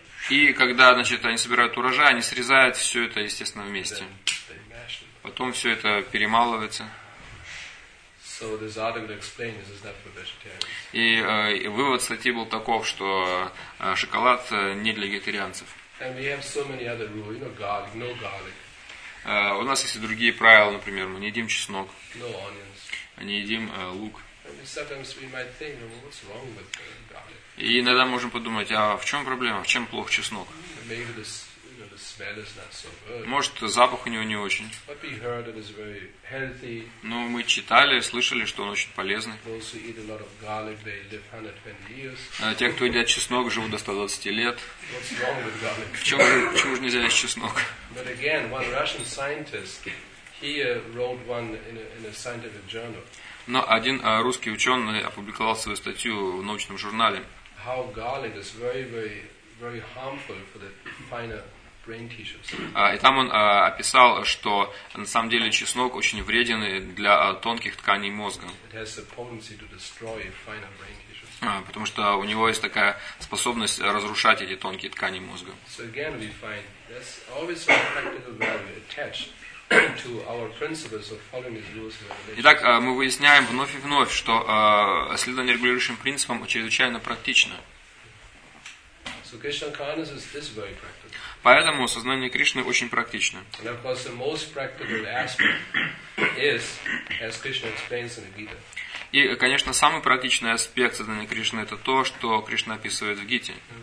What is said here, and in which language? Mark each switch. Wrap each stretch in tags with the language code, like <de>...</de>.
<ru>И когда, значит, они собирают урожай, они срезают все это, естественно, вместе. Потом все это перемалывается.</ru> <en>So this article explained this is not for vegetarians.</en> <ru>И вывод статьи был таков, что шоколад не для вегетарианцев.</ru> <en>And we have so many other rules, you know, garlic, no garlic.</en> <ru>У нас есть и другие правила, например, мы не едим чеснок.</ru> <en>No onions.</en> <ru>Не едим лук.</ru> <en>And sometimes we might think, well, what's wrong with garlic?</en> <ru>И иногда можем подумать, а в чем проблема, в чем плох чеснок?</ru> <en>Maybe this, you know, the smell is not so good.</en> <ru>Может, запах у него не очень.</ru> <en>But we heard it is very healthy.</en> <ru>Но мы читали, слышали, что он очень полезный.</ru> <en>Those who eat a lot of garlic, they live 120 years.</en> <ru>Те, кто едят чеснок, живут до 120 лет.</ru> <en>What's wrong with garlic?</en> <ru>Почему же нельзя есть чеснок?</ru> <en>But again, one Russian scientist, he wrote one in a scientific journal.</en> <ru>Но один русский ученый опубликовал свою статью в научном журнале.</ru> <en>How garlic is very, very, very harmful for the finer brain tissues.</en> <ru>И там он описал, что на самом деле чеснок очень вреден для тонких тканей мозга.</ru> <en>It has the potency to destroy finer brain tissues.</en> <ru>Потому что у него есть такая способность разрушать эти тонкие ткани мозга.</ru> <en>So again we find there's always a practical value attached. To our principles of following these rules and regulations.</en> <ru>Итак, мы выясняем вновь и вновь, что следование регулирующим принципам чрезвычайно практично.</ru> <en>So Krishna consciousness is very practical.</en> <ru>Поэтому сознание Кришны очень практично.</ru> <en>And of course, the most practical aspect is, as Krishna explains in the Gita.</en> <ru>И, конечно, самый практичный аспект сознания Кришны – это то, что Кришна описывает в Гите.</ru>